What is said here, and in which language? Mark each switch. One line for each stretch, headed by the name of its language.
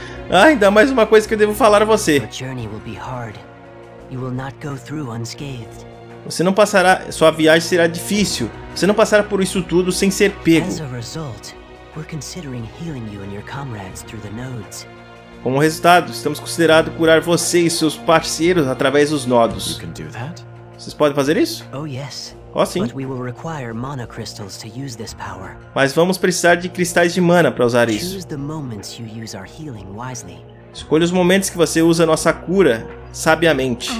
Portuguese: ainda mais uma coisa que eu devo falar a você.
English: Sua journey will be hard. You will not go through unscathed.
Portuguese: Você não passará, sua viagem será difícil. Você não passará por isso tudo sem ser pego.
English: As a result, we're considering healing you and your comrades through the nodes.
Portuguese: Como resultado, estamos considerando curar você e seus parceiros através dos nodos.
English: You can do that?
Portuguese: Vocês podem fazer isso?
English: Oh yes.
Portuguese: Oh, sim.
English: But we will require mana crystals to use this power.
Portuguese: Mas vamos precisar de cristais de mana para usar isso.
English: Choose the moments you use our healing wisely.
Portuguese: Escolha os momentos que você usa a nossa cura sabiamente.